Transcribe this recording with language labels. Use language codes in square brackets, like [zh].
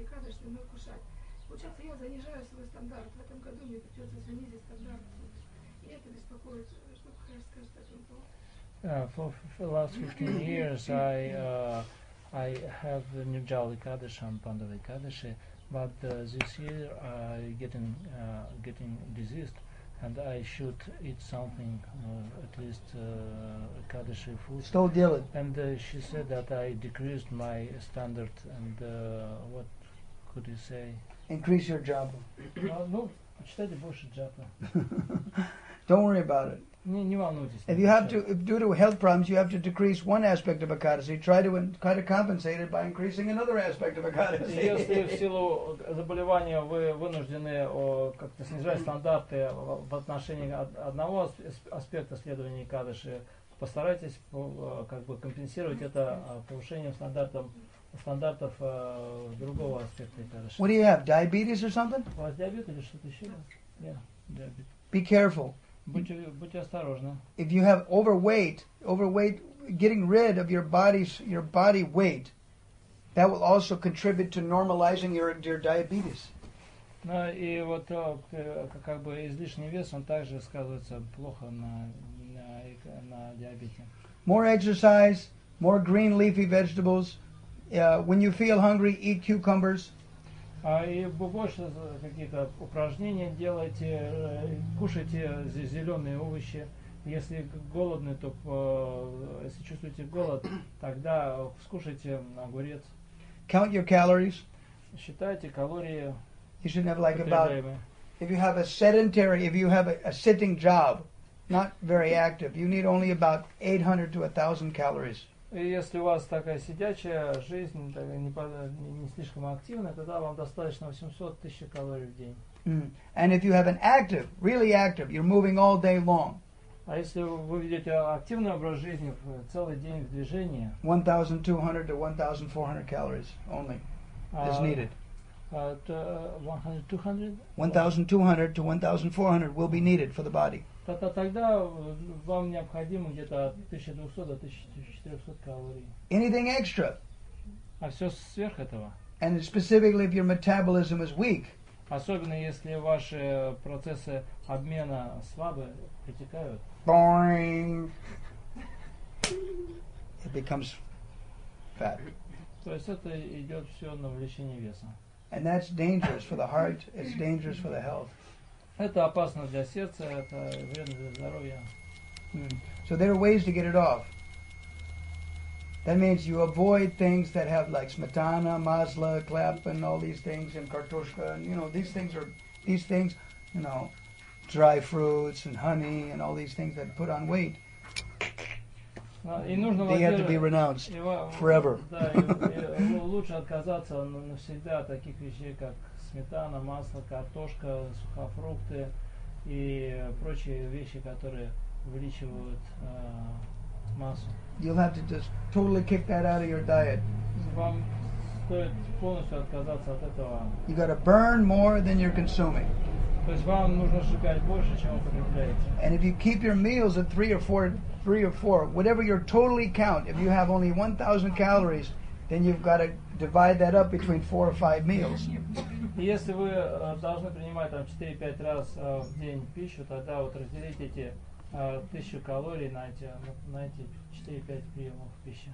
[ru] что мы кушать. Вот сейчас я занижаю свой стандарт. В этом году мне придется снизить стандарт. И это беспокоит, что Харис скажет о том, [en] For last 15 years, I have the Nirjal Ekadashi and Pandav Ekadashi, but this year I getting diseased, and I should eat something, at least Ekadashi food. Still deal it. And she said that I decreased my standard, and what could you say? Increase your job. [ru] No, читайте больше джапа. [en] Don't worry about it. [ru] Не волнуйтесь. [en] If you have to, if due to health problems, you have to decrease one aspect of Ekadasi, try to compensate it by increasing another aspect of Ekadasi. [ru] Если в силу заболевания вы вынуждены как-то снижать стандарты в отношении одного аспекта следования Ekadasi, постарайтесь как бы компенсировать это повышением стандартов другого аспекта Ekadasi. [en] What do you have? Diabetes or something? [ru] У вас диабет или что-то еще? [en] Yeah, diabetes. Be careful. [ru] Будьте осторожны. [en] If you have overweight, getting rid of your body weight, that will also contribute to normalizing your diabetes. [ru] Ну и вот как бы излишний вес, он также сказывается плохо на диабете. [en] More exercise, more green leafy vegetables. When you feel hungry, eat cucumbers. [ru] А и больше какие-то упражнения делайте, кушайте зеленые овощи. Если голодны, то если чувствуете голод, тогда скушайте огурец. [en] Count your calories. [ru] Считайте калории. [en] You should have like about, if you have a sedentary, if you have a sitting job, not very active, you need only about 800 to 1,000 calories. [ru] И если у вас такая сидячая жизнь, не слишком активная, тогда вам достаточно 800-1000 калорий в день. [en] And if you have an active, really active, you're moving all day long. [ru] А если вы ведете активный образ жизни, целый день в движении. [en] 1,200 to 1,400 calories only is needed. 1,200 to 1,400 will be needed for the body. [ru] Тогда вам необходимо где-то 1200 до 1400 калорий. [en] Anything extra? [ru] А все сверх этого? [en] And specifically if your metabolism is weak. [ru] Особенно если ваши процессы обмена слабы, протекают. [en] Boring. It becomes fat. [ru] То есть это идет все на увеличение веса. [en] And that's dangerous for the heart. It's dangerous for the health. [ru] Это опасно для сердца, это вредно для здоровья. [en] So there are ways to get it off. That means you avoid things that have like smetana, masla, klep, and all these things, and kartoshka, and you know, these things, you know, dry fruits and honey and all these things that put on weight. They had to be renounced forever. [ru] Лучше отказаться навсегда от таких вещей, как сметана, масло, картошка, сухофрукты и прочие вещи, которые увеличивают массу. [en] You'll have to just totally kick that out of your diet. [ru] Вам стоит полностью отказаться от этого. [en] You got to burn more than you're consuming. [ru] То есть вам нужно сжигать больше, чем употребляете. [en] And if you keep your meals at three or four, whatever your totally count, if you have only 1,000 calories, then you've got to divide that up between 4 or 5 meals. [ru] Если вы должны принимать там 4-5 раз в день пищу, тогда вот разделите эти 1000 калорий на эти 4-5 приемов пищи.